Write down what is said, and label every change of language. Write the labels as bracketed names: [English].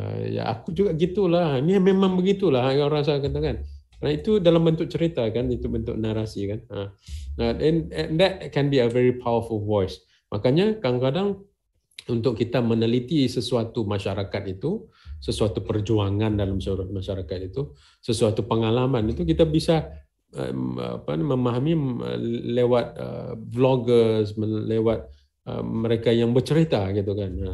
[Malay] Ya aku juga gitulah, ini memang begitulah yang orang saya katakan. Nah itu dalam bentuk cerita kan, itu bentuk narasi kan. [English] Nah, and that can be a very powerful voice. [Malay] Makanya kadang-kadang untuk kita meneliti sesuatu masyarakat itu, sesuatu perjuangan dalam masyarakat itu, sesuatu pengalaman itu, kita bisa apa, memahami lewat vloggers, lewat mereka yang bercerita gitu kan.